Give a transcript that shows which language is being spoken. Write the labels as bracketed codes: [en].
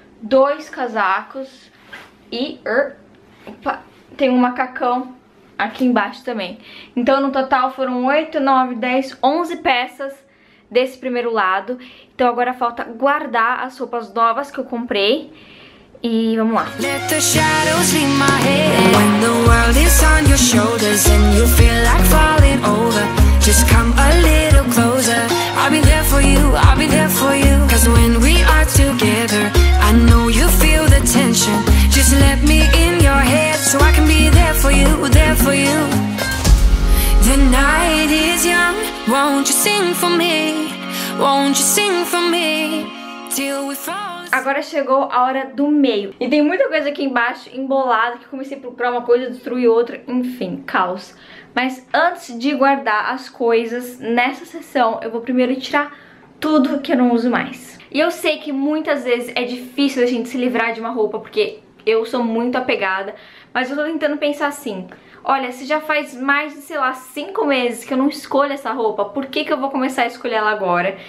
[pt] 2 casacos. E... opa, tem um macacão aqui embaixo também. Então no total foram 8, 9, 10, 11 peças desse primeiro lado. Então agora falta guardar as roupas novas que eu comprei. E vamos lá. [en] Let the shadows be my head. When the world is on your shoulders and you feel like falling over, just come a little closer. I'll be there for you, I'll be there for you. Cause when we are together, I know you feel the tension. Just let me in your head so I can be there for you, there for you. The night is young, won't you sing for me? Won't you sing for me? Till we fall. [pt] Agora chegou a hora do meio. E tem muita coisa aqui embaixo embolada, que comecei a procurar uma coisa, destruir outra, enfim, caos. Mas antes de guardar as coisas nessa seção, eu vou primeiro tirar tudo que eu não uso mais. E eu sei que muitas vezes é difícil a gente se livrar de uma roupa, porque eu sou muito apegada, mas eu tô tentando pensar assim: olha, se já faz mais de, sei lá, 5 meses que eu não escolho essa roupa, por que que eu vou começar a escolher ela agora?